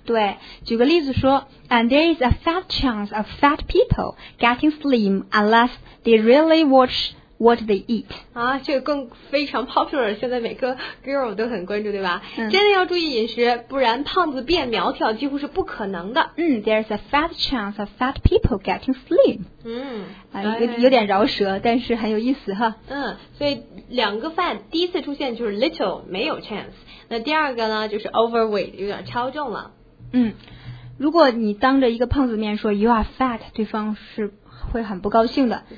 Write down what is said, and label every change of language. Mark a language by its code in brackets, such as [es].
[zh] 对举个例子说 [en] and there is a fat chance of fat people getting slim unless they really watch what they eat [zh] 啊这个更非常 popular 现在每个 girl 都很关注对吧、嗯、真的要注意饮食不然胖子变苗条几乎是不可能的 [en] 嗯 there's a fat chance of fat people getting slim 嗯、 [zh] 有点饶舌但是很有意思哈嗯所以两个 fat 第一次出现就是 little 没有 chance 那第二个呢就是 overweight 有点超重了嗯如果你当着一个胖子面说 [en] you are fat [zh] 对方是会很不高兴的